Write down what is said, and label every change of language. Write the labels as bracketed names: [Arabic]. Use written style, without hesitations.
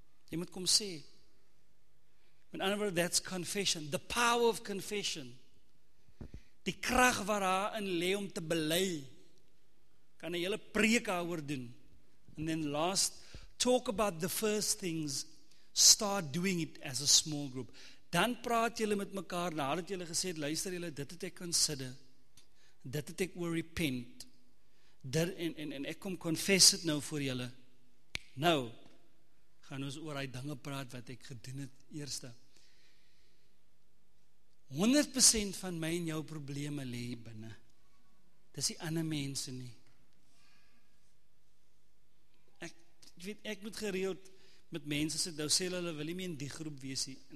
[Afrikaans] Jy moet kom sê, [English] in other words, that's confession, the power of confession, [Afrikaans] die krag waar haar in lê om te bely, kan een hele preek oor doen. [English] And then last, talk about the first things, start doing it as a small group. [Afrikaans] Dan praat julle met mekaar, nadat julle gesê het, luister julle, dit het ek consider, dit het ek will repent, dit, en ek kom confess het nou voor julle. Nou, gaan ons oor die dinge praat wat ek gedoen het eerste. 100% van my en jou probleme lê binne. Dis die ander mense nie. Ek weet, ek moet gereeld met mense sit, nou sê hulle wil nie meer in die groep wees nie.